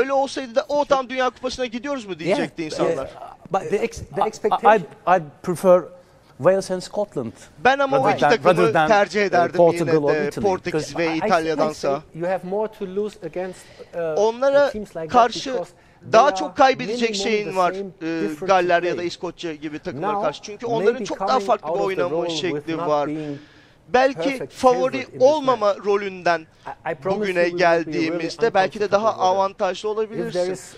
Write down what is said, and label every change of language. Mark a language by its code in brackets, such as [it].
[tr] Öyle olsaydı da o tam dünya kupasına gidiyoruz mu diyecekti insanlar. [en] But the expectation I prefer Wales and Scotland. [tr] Ben ama o iki takımı tercih ederdim Portugal yine de Portekiz ve İtalya'dansa. [en] You have more to lose against [tr] onlara karşı daha çok kaybedecek şeyin var Galler ya da İskoçya gibi takımlara karşı. Çünkü onların çok daha farklı bir oynama şekli var. Belki favori olmama rolünden bugüne geldiğimizde belki de daha avantajlı olabilirsin.